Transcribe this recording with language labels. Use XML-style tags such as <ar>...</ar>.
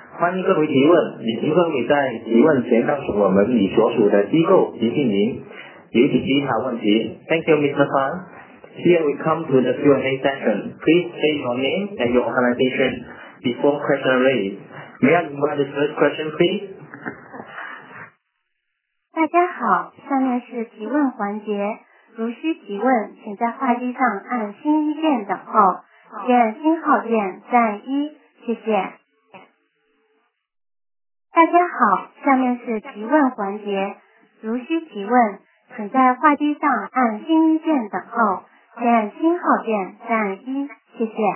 <zh>欢迎各位提问，您可以在提问前告诉我们你所属的机构及姓名，有请第一条问题。</zh> <en>Thank you Mr. Fan. Here we come to the Q&A session. Please state your name and your organization before question raised. May I invite the first question please?</en> <zh>大家好，下面是提问环节，如需提问请在话机上按星一键等号，点星号键赞一，谢谢。大家好，下面是提问环节，如需提问请在话机上按星一键等候，点星号键赞一，谢谢。</zh>